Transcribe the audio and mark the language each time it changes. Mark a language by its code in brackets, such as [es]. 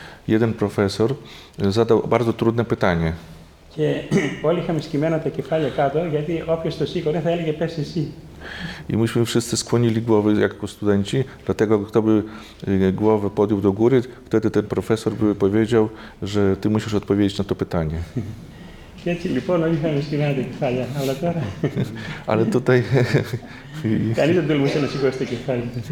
[pl] Jeden profesor zadał bardzo trudne pytanie. [el] Και όλοι είχαμε σκυμμένα τα κεφάλια κάτω, γιατί όποιος το σήκωνε θα έλεγε πες εσύ. [pl] I myśmy wszyscy skłonili głowy jako studenci, dlatego kto by głowę podjął do góry, wtedy ten profesor by powiedział, że ty musisz odpowiedzieć na to pytanie. [el] Και έτσι λοιπόν όλοι είχαμε σκυμμένα τα κεφάλια, αλλά τώρα... Αλλά [pl] tutaj... [el] Κανείς δεν τολμούσε να σηκώσει τα κεφάλια.